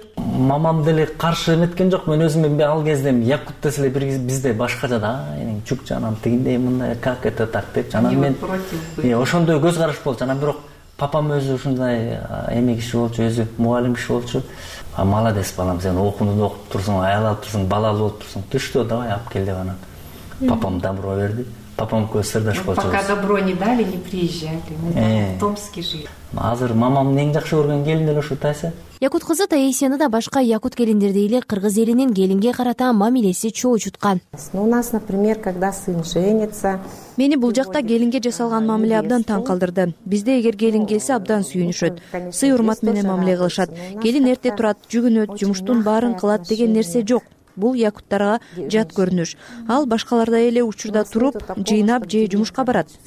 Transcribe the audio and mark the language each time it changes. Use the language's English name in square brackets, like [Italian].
[Kyrgyz] Мамам деле каршы эметкен жок. Мен өзүм ал кезде якут десе эле бир бизде башкача да, эң чук жанам тигиндей мындай [Russian] как это так [Kyrgyz] деп жанам мен. Ошондой көз караш болчу. Анан бирок папам өзү ушундай эми киши болчу, өзү мугалим киши болчу. А молодец балам, сен окууну окуп турсуң, аял алып турсуң, балалуу болуп турсуң. Түштү, давай алып кел деп анан папам добро берди. Папам көз сырдаш болчу. [Russian] Пока добро не дали, не приезжали. Мы в Томске жили. [Kyrgyz] Азыр мамамдын эң жакшы көргөн келин эле ушу Тася. Якут кызы Таисияны да башка якут келиндердей эле кыргыз элинин келинге карата мамилеси чоочуткан. [Russian] У нас, например, когда сын женится. [Kyrgyz] Мени бул жакта келинге жасалган мамиле абдан таң калдырды. Бизде эгер келин келсе абдан сүйүнүшөт. Сый урмат менен мамиле кылышат. Келин эрте турат, жүгүнөт, жумуштун баарын кылат деген нерсе жок. Бул якуттарга жат көрүнүш. Ал башкалардай эле учурда туруп, жыйнап же жумушка барат.